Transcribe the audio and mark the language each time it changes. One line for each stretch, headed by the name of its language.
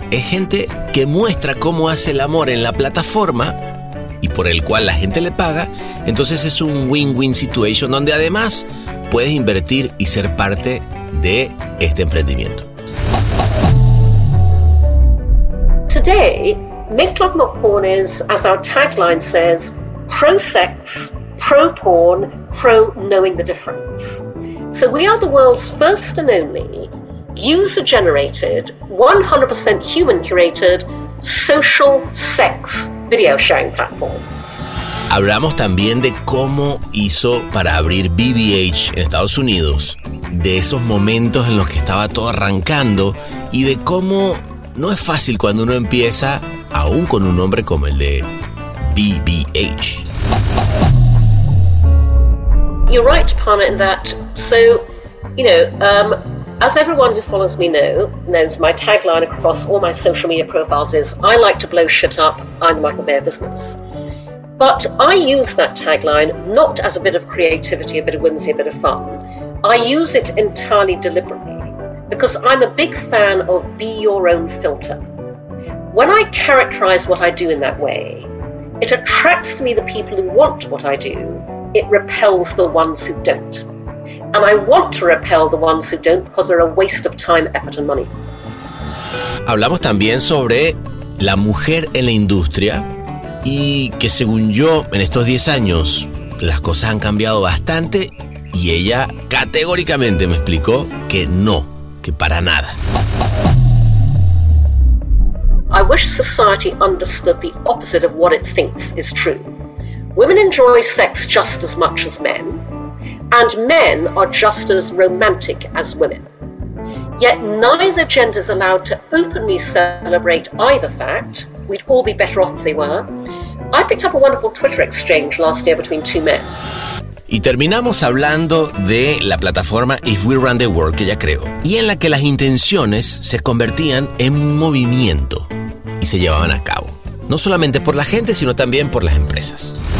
Spanish: Es gente que muestra cómo hace el amor en la plataforma y por el cual la gente le paga. Entonces es un
English: win-win situation
Spanish: donde además puedes invertir y ser parte de este emprendimiento.
English: Today, Make Love Not Porn is, as our tagline says, pro-sex, pro-porn, pro-knowing the difference. So we are the world's first and only user-generated, 100% human-curated, social sex video-sharing platform.
Spanish: Hablamos también de cómo hizo para abrir VVH en Estados Unidos, de esos momentos en los que estaba todo arrancando y de cómo no es fácil cuando uno empieza, aún con un nombre como el de VVH.
English: You're right, Parna, in that. So, you know, as everyone who follows me knows, my tagline across all my social media profiles is I like to blow shit up, I'm the Michael Bayer business. But I use that tagline not as a bit of creativity, a bit of whimsy, a bit of fun. I use it entirely deliberately because I'm a big fan of be your own filter. When I characterize what I do in that way, it attracts to me the people who want what I do. It repels the ones who don't. And I want to repel the ones who don't because they're a waste of time, effort and money.
Spanish: Hablamos también sobre la mujer en la industria. Y que según yo, en estos 10 años, las cosas han cambiado bastante y ella categóricamente me explicó que no, que para nada.
English: I wish society understood the opposite of what it thinks is true. Women enjoy sex just as much as men. and men are just as romantic as women. Yet neither gender's allowed to openly celebrate either fact. We'd all be better off if they were. I picked up a wonderful Twitter exchange last year between two men.
Spanish: Y terminamos hablando de la plataforma If We Run the World que ella creó, y en la que las intenciones se convertían en movimiento y se llevaban a cabo, no solamente por la gente, sino también por las empresas.